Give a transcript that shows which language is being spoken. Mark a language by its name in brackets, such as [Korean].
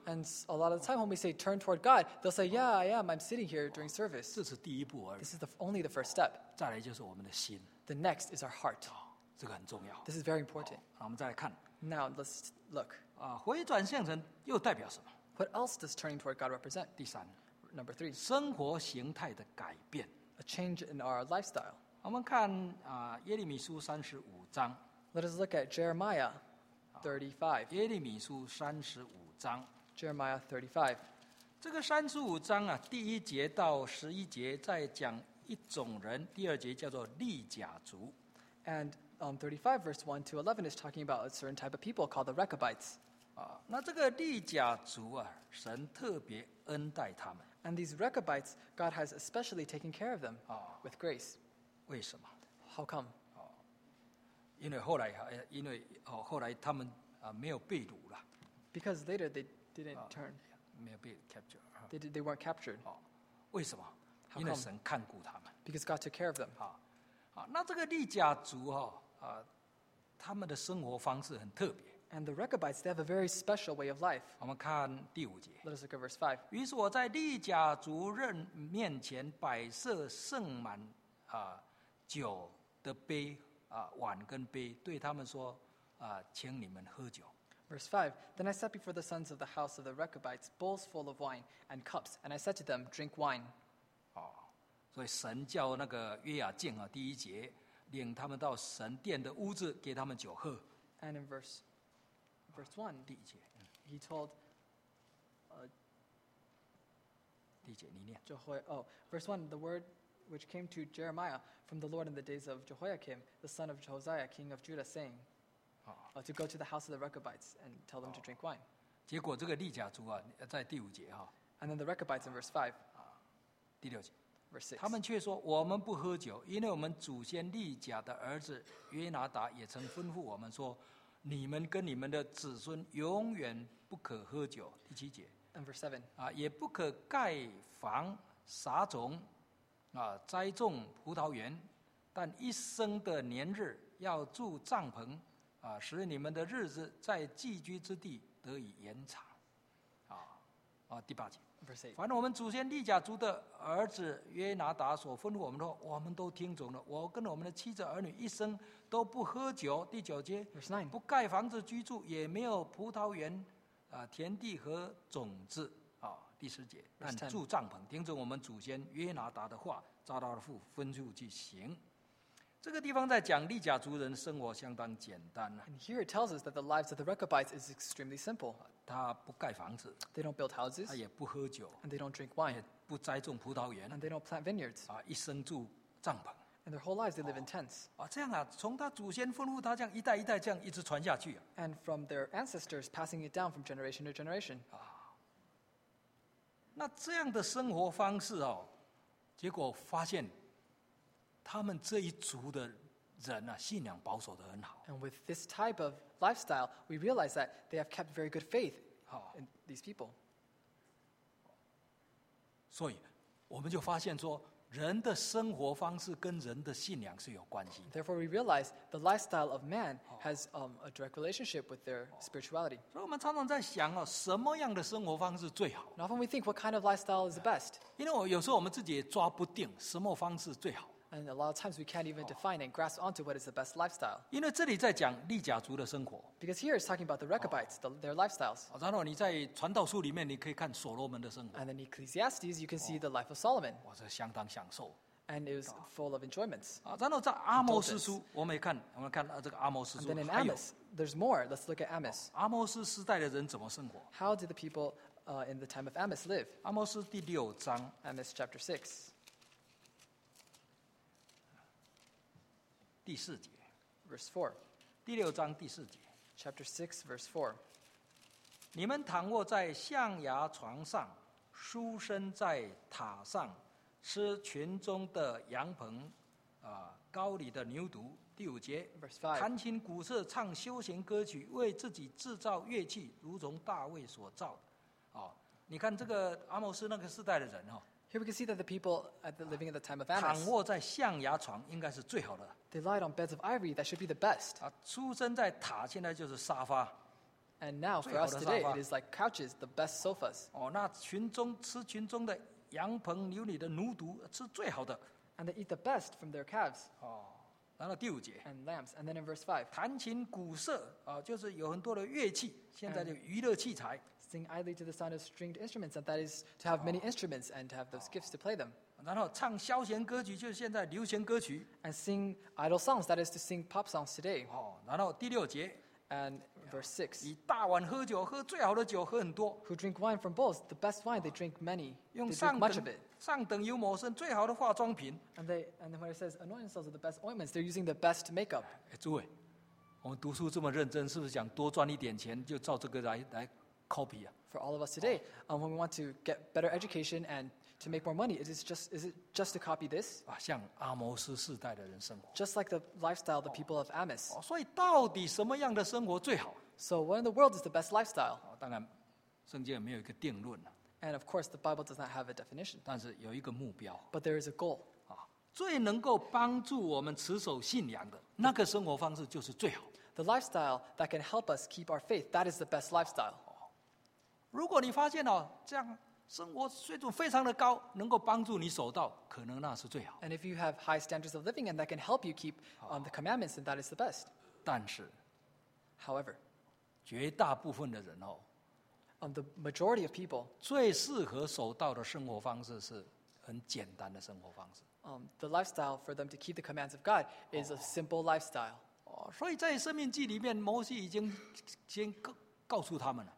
[English] And a lot of the time when we say turn toward God， they'll say， Yeah， I am， I'm sitting here during service。 [Chinese] 这是第一步而已。 [English] This is only the first step。 [Chinese] 再来就是我们的心。 [English] The next is our heart。 [Chinese] 这个很重要。 [English] This is very important。 [Chinese] 好，我们再来看。 [English] Now let's look。 [Chinese] 回转向神又代表什么 [English] ？What else does turning toward God represent？ [Chinese] 第三 [English] ，Number three， [Chinese] 生活形态的改变 [English] ，A change in our lifestyle。 [Chinese] 我们看耶利米书三十五章。 [English] Let us look at Jeremiah 35。 [Chinese] 耶利米书三十五章 [English] ，Jeremiah 35。 [Chinese] 这个三十五章啊，第一节到十一节在讲一种人，第二节叫做利甲族。 [English] And 35 verse 1 to 11 is talking about a certain type of people called the Rechabites. [Chinese] 那这个利甲族啊，神特别恩待他们。 [English] And these Rechabites, God has especially taken care of them with grace. [Chinese] 为什么 [English] ？How come？ [Chinese] 因为后来他们没有被掳了。 [English] Because later they didn't turn. [Chinese] 没有被 [English] captured. They weren't captured. [Chinese] 为什么 [English] ？How come？ [Chinese] 因为神看顾他们。 [English] Because God took care of them. [Chinese] 那这个利甲族他们的生活方式很特别。 [English] And the Rechabites, they have a very special way of life. [Chinese] 我们看第五节。 [English] Let us look at verse 5. [Chinese] 于是我在利甲族人面前摆设盛满酒的杯碗跟杯，对他们说请你们喝酒。 [English] Verse 5. Then I sat before the sons of the house of the Rechabites, bowls full of wine and cups, and I said to them, drink wine. [Chinese] 所以神叫那个约雅敬第一节领他们到神殿的屋子给他们酒喝。 [English] And in verse 1, [Chinese] 第一节 [English] he told, [Chinese] 第一节你念。 [English] Verse 1, the word which came to Jeremiah from the Lord in the days of Jehoiakim, the son of Josiah, king of Judah, saying, to go to the house of the Rechabites and tell them to drink wine. [Chinese] 结果这个利甲族在第五节。 [English] And then the Rechabites in verse 5, [Chinese] 第六节。他们却说我们不喝酒，因为我们祖先利甲的儿子约拿达也曾吩咐我们说，你们跟你们的子孙永远不可喝酒。第七节。 [English] And verse seven. [Chinese] 也不可盖房撒种栽种葡萄园，但一生的年日要住帐篷使你们的日子在寄居之地得以延长。第八节。反正我们祖先利甲族的儿子约拿达所吩咐我们的话，我们都听从了。我跟我们的妻子儿女一生都不喝酒。第九节，不盖房子居住，也没有葡萄园、田地和种子。第十节，但住帐篷，听从我们祖先约拿达的话，照他的吩咐去行。这个地方在讲利甲族人生活相当简单。 [English] And here it tells us that the lives of the Rechabites is extremely simple. [Chinese] 他不盖房子。 [English] They don't build houses. [Chinese] 他也不喝酒。 [English] And they don't drink wine. [Chinese] 也不栽种葡萄园。 [English] And they don't plant vineyards. [Chinese] 一生住帐篷。 [English] And their whole lives they live in tents. [Chinese] 这样从他祖先吩咐他这样一代一代这样一直传下去。 [English] And from their ancestors passing it down from generation to generation. [Chinese] 那这样的生活方式结果发现他们这一族的人信仰保守得很好。 [English] And with this type of lifestyle, we realize that they have kept very good faith in these people. [Chinese] 所以，我们就发现说，人的生活方式跟人的信仰是有关系的。 [English] Therefore, we realize the lifestyle of man has a direct relationship with their spirituality. [Chinese] 所以我们常常在想哦，什么样的生活方式最好 [English] ？Often we think what kind of lifestyle is the best. [Chinese] 因为有时候我们自己也抓不定什么方式最好。 [English] And a lot of times we can't even define and grasp onto what is the best lifestyle. [Chinese] 因为这里在讲利甲族的生活。 [English] Because here it's talking about the Rechabites, their lifestyles. [Chinese] 然后你在传道书里面你可以看所罗门的生活。 [English] And in Ecclesiastes, you can see the life of Solomon. [Chinese] 哇，这相当享受。 [English] And it was full of enjoyments. [Chinese] 然后在阿摩斯书，我们看这个阿摩斯书。 [English] And then in Amos, there's more. Let's look at Amos. [Chinese] 阿摩斯时代的人怎么生活 [English] ？How did the people in the time of Amos live? [Chinese] 阿摩斯第六章。 [English] Amos chapter 6. [Chinese] 第四节 [English] verse 4, [Chinese] 第六章第四节 [English] chapter 6 verse 4, [Chinese] 你们躺卧在象牙床上，舒身在塔上，吃群中的羊棚，高里的牛犊。第五节 [English] verse 5, [Chinese] 弹琴鼓瑟，唱休闲歌曲，为自己制造乐器，如同大卫所造的。你看这个阿摩斯那个世代的人哦。 [English] Here we can see that the people at the living at the time of Amos [Chinese] 躺卧在象牙床应该是最好的。 [English] They lied on beds of ivory, that should be the best. [Chinese] 出生在塔，现在就是沙发。 [English] And now for us today, it is like couches, the best sofas. [Chinese] 那吃群中的羊棚牛里的奴犊吃最好的。 [English] And they eat the best from their calves. [Chinese] 然后第五节。 [English] And lambs. And then in verse 5. [Chinese] 弹琴鼓瑟，就是有很多的乐器，现在就娱乐器材。 [English] Sing idly to the sound of stringed instruments, and that is to have many instruments and to have those gifts to play them. [Chinese] 然后唱消闲歌曲，就是现在流行歌曲。 [English] And sing idle songs, that is to sing pop songs today. [Chinese] 然后第六节。 [English] And verse 6. [Chinese] 以大碗喝酒，喝最好的酒，喝很多。 [English] Who drink wine from bowls, the best wine, they drink many. [Chinese] 用上等 [English] they drink much of it. [Chinese] 上等油抹身，最好的化妆品。 [English] And then when it says anoint themselves with the best ointments, they're using the best makeup. [Chinese] 诸位，我们读书这么认真，是不是想多赚一点钱，就照这个来？ [English] For all of us today, when we want to get better education and to make more money, is it just to copy this? [Chinese] 像阿摩斯世代的人生活。 [English] Just like the lifestyle the people of Amos. [Chinese] 所以到底什么样的生活最好 [English] ？So what in the world is the best lifestyle? [Chinese] 当然，圣经也没有一个定论。 [English] And of course, the Bible does not have a definition. [Chinese] 但是有一个目标。 [English] But there is a goal. [Chinese] 最能够帮助我们持守信仰的那个生活方式就是最好。 [English] The lifestyle that can help us keep our faith, that is the best lifestyle. [Chinese] 如果你发现这样生活水准非常的高，能够帮助你守道，可能那是最好。 [English] And if you have high standards of living and that can help you keep the commandments, then that is the best. [Chinese] 但是 [English] ，however， [Chinese] 绝大部分的人 [English] the majority of people [Chinese] 最适合守道的生活方式是很简单的生活方式。 [English] The lifestyle for them to keep the commands of God is a simple lifestyle. [Chinese] 所以在《生命记》里面，摩西已经告诉他们了。